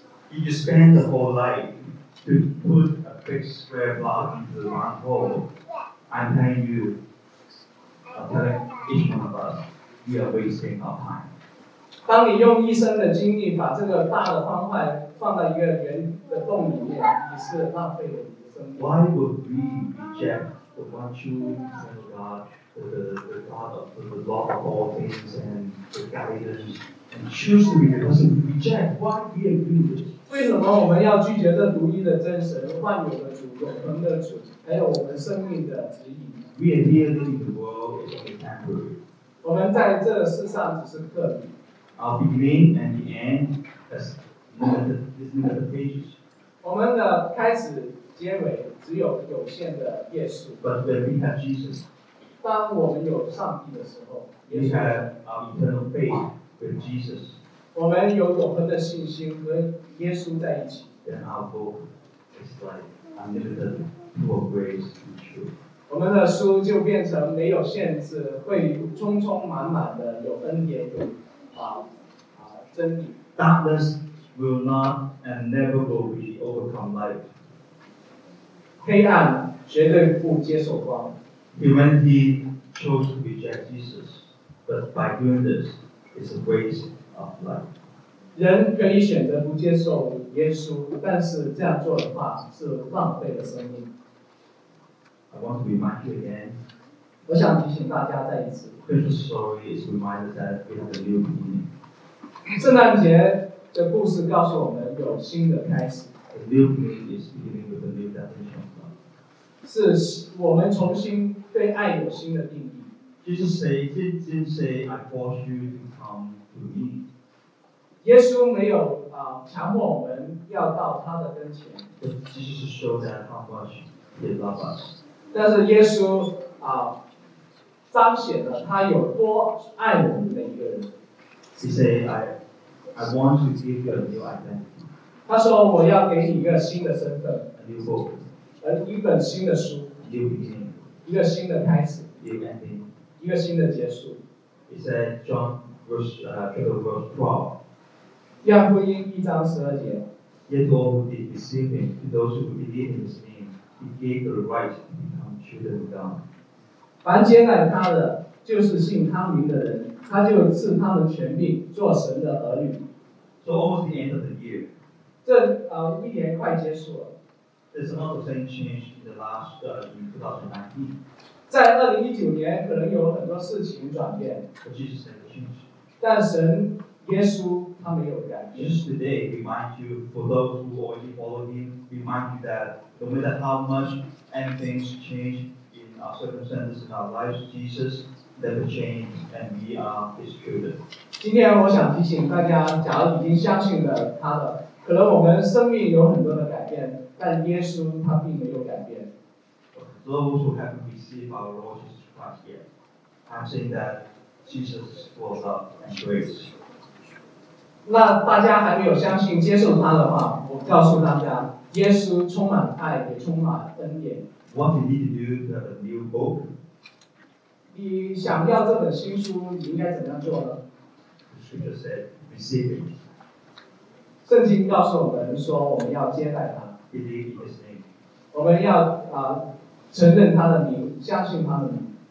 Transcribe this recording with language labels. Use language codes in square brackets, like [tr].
[en] You spend the whole life to put a big square block into one hole. I'm telling you, I'm telling each one of us, we are wasting our time. [zh] 当你用一生的精力把这个大的方块放到一个圆的洞里面，你是浪费了你的生命。 [en] Why would we reject the one true and God, the God of the Lord of all things and the guidance, and choose to be the person to reject? Why do we do this? [zh] 为什么我们要拒绝这独一的真神、万有的主、永恒的主，还有我们生命的指引 [en] ？We are here living the world is only temporary. [zh] 我们在这世上只是客旅。 [en] Our beginning and the end is limited pages. [zh] 我们的开始、结尾只有有限的页数。 [en] But when we have Jesus, [zh] 当我们有上帝的时候 [en] ，we have our eternal faith with Jesus. [zh] 我们有永恒的信心和耶稣在一起。 [en] Then our book is like unlimited for grace and truth. [zh] 我们的书就变成没有限制，会充充满满的有恩典有真理。 [en] Darkness will not and never will be overcome light. [zh] 黑暗绝对不接受光。 [en] Humanity chose to reject Jesus, but by doing this, it's a waste. [zh] 人可以选择不接受耶稣，但是这样做的话是浪费了生命。 [en] I want to remind you again. [zh] 我想提醒大家再一次。 [en] Christmas story is reminded that we have a new beginning. [zh] 圣诞节的故事告诉我们有新的开始。 [en] The new beginning is beginning with a new definition of love. [zh] 是我们重新对爱有新的定义。 [en] Jesus said, "Didn't say I force you to come." [zh] 耶稣没有强迫我们要到他的跟前。 [en] Jesus showed that how much he loved us. [zh] 但是耶稣彰显了他有多爱我们的一个人。 [en] He said, "I want to give you a new identity." [zh] 他说我要给你一个新的身份。 [en] A new book. [zh] 一本新的书。 [en] A new beginning. [zh] 一个新的开始。 [en] A new ending. [zh] 一个新的结束。 [en] He said, John. Verse 12. [zh] 约翰福音一章十二节。 [en] Yet all who did receive him, to those who believed in his name, he gave the right to become children of God. [zh] 凡接待他的，就是信他名的人，他就赐他们权柄做神的儿女。 [en] So almost the end of the year. [zh] 这一年快结束了。 [en] There's a lot of things changed in the last in 2019. [zh] 在2019年，可能有很多事情转变。 [en] But Jesus never changed. [zh] 但神耶稣他没有改变。 [en] Just today, remind you for those who already follow him, remind you that no matter how much anything change in our circumstances in our lives, Jesus never changed, and we are his children. [zh] 今天我想提醒大家，假如已经相信了他了，可能我们生命有很多的改变，但耶稣他并没有改变。 [en] Those who haven't received our Lord Jesus Christ yet, I'm saying that. Jesus was up and grace. [zh] 那大家还没有相信接受他的话，我告诉大家，耶稣充满爱，也充满恩典。 [en] What you need to do to have a new book? [zh] 你想要这本新书，你应该怎样做呢 [en] ？The scripture said, "Receive it." [zh] 圣经告诉我们说，我们要接待他。 [en] Believe in his name. [zh] 我们要承认他的名，相信他的名。